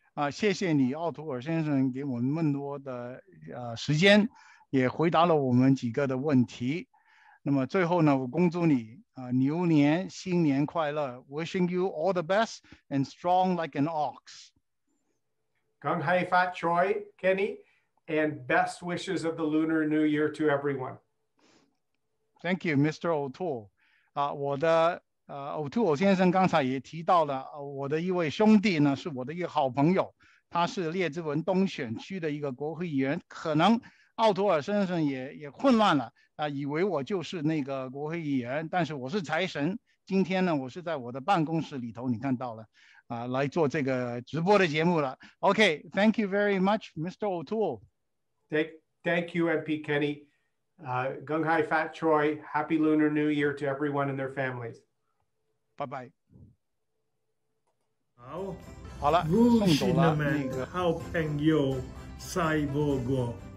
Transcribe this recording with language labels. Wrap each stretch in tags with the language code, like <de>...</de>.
<zh>谢谢你奥图尔先生给我们那么多的时间，也回答了我们几个的问题。那么最后呢，我恭祝你牛年新年快乐。</zh> <en>Wishing you all the best and strong like an ox.</en> <zh>恭喜发财</zh> <en>Kenny, and best wishes of the Lunar New Year to everyone. Thank you, Mr. O'Toole.</en> <zh>我的O'Toole 先生刚才也提到了我的一位兄弟呢，是我的一个好朋友，他是列治文东选区的一个国会议员。可能奥图尔先生也混乱了以为我就是那个国会议员，但是我是财神。今天呢，我是在我的办公室里头，你看到了来做这个直播的节目了。</zh> <en>Okay, thank you very much, Mr. O'Toole. Thank you, MP Kenny. Gung Hai Fat Choi, Happy Lunar New Year to everyone and their families. Bye bye.</en> <zh>好，好了，入侵的们，好朋友，赛博哥。</zh>